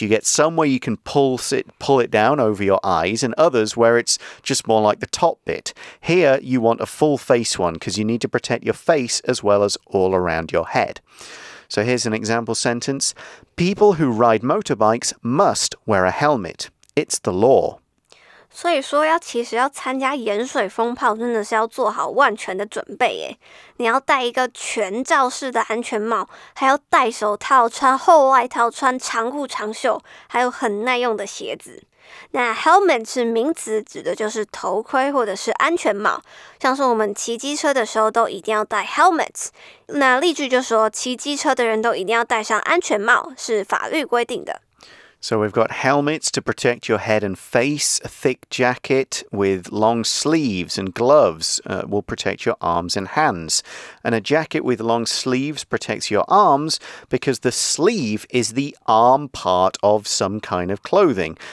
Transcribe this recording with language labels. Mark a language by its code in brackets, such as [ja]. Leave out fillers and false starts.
[en] You get some where you can pull it down over your eyes, and others where it's just more like the top bit. Here, you want a full face one because you need to protect your face as well as all around your head. So here's an example sentence. People who ride motorbikes must wear a helmet. It's the law. [zh] 所以说要其实要参加盐水风炮真的是要做好万全的准备耶。你要戴一个全罩式的安全帽，还要戴手套，穿厚外套，穿长裤长袖，还有很耐用的鞋子。那 helmet 是名词，指的就是头盔或者是安全帽。像是我们骑机车的时候都一定要戴 helmets。那例句就说骑机车的人都一定要戴上安全帽，是法律规定的。 [en] So we've got helmets to protect your head and face, a thick jacket with long sleeves and gloves will protect your arms and hands. And a jacket with long sleeves protects your arms because the sleeve is the arm part of some kind of clothing.